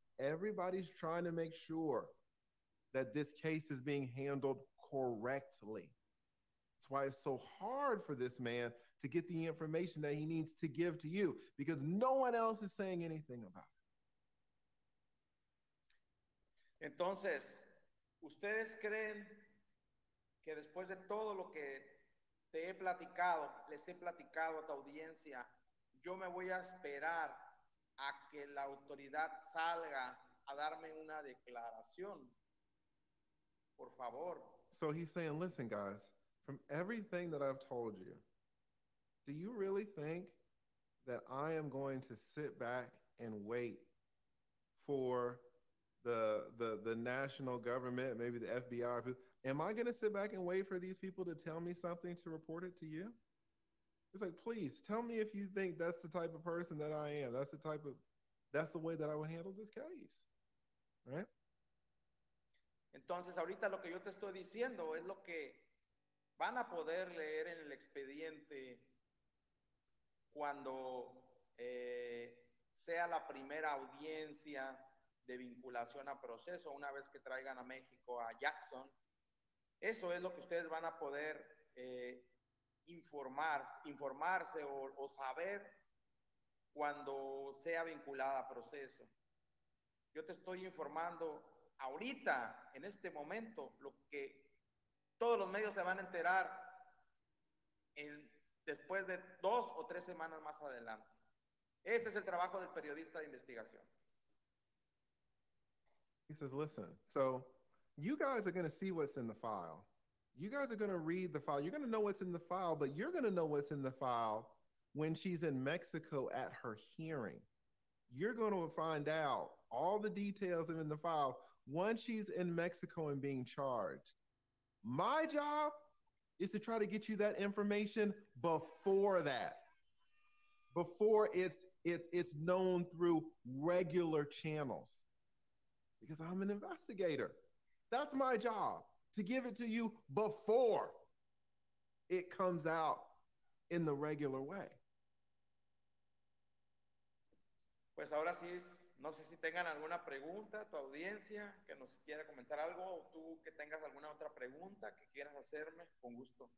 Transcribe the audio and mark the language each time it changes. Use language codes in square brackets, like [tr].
[en] Everybody's trying to make sure that this case is being handled correctly. That's why it's so hard for this man to get the information that he needs to give to you, because no one else is saying anything about it. [es] Entonces, ¿ustedes creen que después de todo lo que te he platicado, les he platicado a tu audiencia, yo me voy a esperar a que la autoridad salga a darme una declaración? Por favor. [en] So he's saying, listen, guys, from everything that I've told you, Do you really think that I am going to sit back and wait for the national government, maybe the FBI? Am I going to sit back and wait for these people to tell me something to report it to you? It's like, please tell me if you think that's the type of person that I am. That's the way that I would handle this case, right? [es] Entonces, ahorita lo que yo te estoy diciendo es lo que van a poder leer en el expediente cuando sea la primera audiencia de vinculación a proceso, una vez que traigan a México a Jackson. Eso es lo que ustedes van a poder informarse o saber cuando sea vinculada a proceso. Yo te estoy informando ahorita, en este momento, lo que todos los medios se van a enterar después de 2 o 3 semanas más adelante. Ese es el trabajo del periodista de investigación. [en] He says, listen, so you guys are going to see what's in the file. You guys are going to read the file. You're going to know what's in the file, but you're going to know what's in the file when she's in Mexico at her hearing. You're going to find out all the details in the file once she's in Mexico and being charged. My job is to try to get you that information before that, before it's known through regular channels, because I'm an investigator. That's my job, to give it to you before it comes out in the regular way. [es] Pues ahora sí, no sé si tengan alguna pregunta, tu audiencia, que nos quiera comentar algo, o tú que tengas alguna otra pregunta que quieras hacerme, con gusto.